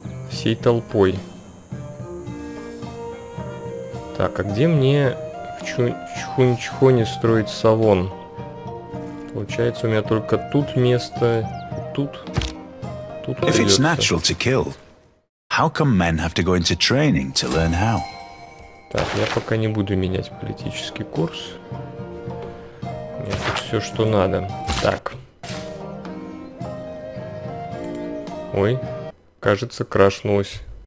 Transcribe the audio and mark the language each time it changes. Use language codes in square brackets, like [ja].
[ru] Всей толпой. Так, а где мне в Чхунчхоне строить савон? Получается, у меня только тут место. Тут. Тут придется. [en] How come men have to go into training to learn how? [ru] Так, я пока не буду менять политический курс. У меня тут все, что надо. Так. Ой, кажется, крашнулось.